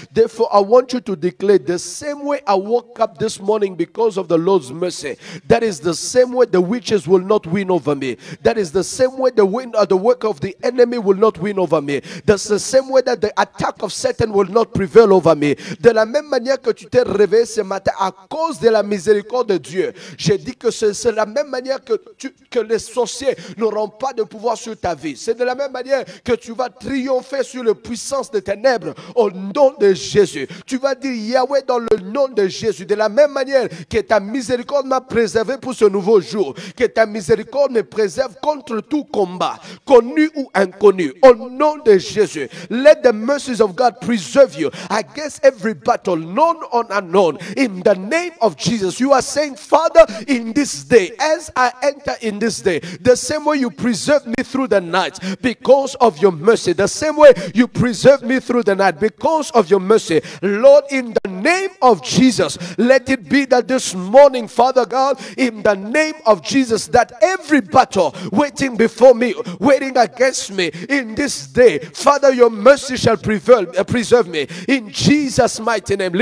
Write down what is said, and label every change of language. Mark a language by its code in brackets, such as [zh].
[en] Therefore, I want you to declare the same way I woke up this morning because of the Lord's mercy. That is the same way the witches will not win over me. That is the same way the work of the enemy will not win over me. That's the same way that the attack of Satan will not prevail over me. [fr] De la même manière que tu t'es réveillé ce matin à cause de la miséricorde de Dieu, j'ai dit que c'est la même manière que les sorciers n'auront pas de pouvoir sur ta vie. C'est de la même manière que tu vas triompher sur les puissances des ténèbres au nom de Jésus. Tu vas dire Yahweh dans le nom de Jésus. De la même manière que ta miséricorde m'a préservé pour ce nouveau jour. Que ta miséricorde me préserve contre tout combat, connu ou inconnu. Au nom de Jésus, [en] let the mercies of God preserve you against every battle, known or unknown. In the name of Jesus, you are saying, Father, in this day, as I enter in this day, the same way you preserve me through the night because of your mercy, the same way you preserve me through the night because of your mercy, Lord, in the name of Jesus, let it be that this morning, Father God, in the name of Jesus, that every battle waiting before me, waiting against me in this day, Father, your mercy shall prevail, preserve me in Jesus' mighty name.